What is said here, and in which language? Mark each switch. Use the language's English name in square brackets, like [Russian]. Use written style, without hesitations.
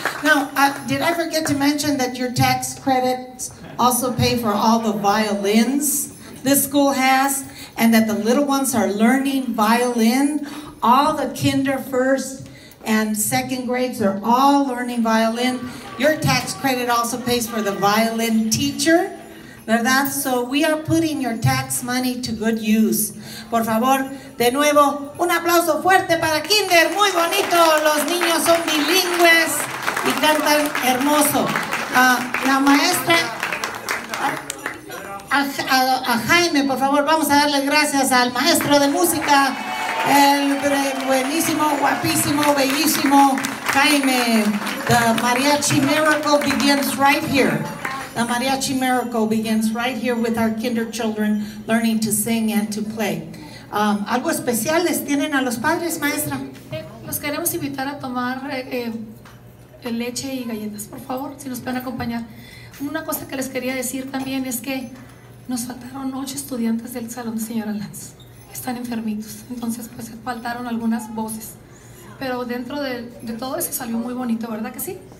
[English] Now, did I forget to mention that your tax credits also pay for all the violins this school has, and that the little ones are learning violin? All the kinder, first, and second grades are all learning violin. Your tax credit also pays for the violin teacher, ¿verdad? So we are putting your tax money to good use. [Spanish] Por favor, de nuevo, un aplauso fuerte para kinder. Muy bonito. Los niños son bilingües y cantan hermoso. La maestra... A Jaime, por favor, vamos a darle gracias al maestro de música, el buenísimo, guapísimo, bellísimo Jaime. [English] The mariachi miracle begins right here. The mariachi miracle begins right here with our kinder children learning to sing and to play. [Spanish] ¿Algo especial les tienen a los padres, maestra? Los queremos invitar a tomar leche y galletas, por favor, si nos pueden acompañar. Una cosa que les quería decir también es que nos faltaron 8 estudiantes del salón de señora Lanz. Están enfermitos, entonces pues faltaron algunas voces. Pero dentro de todo eso salió muy bonito, ¿verdad que sí?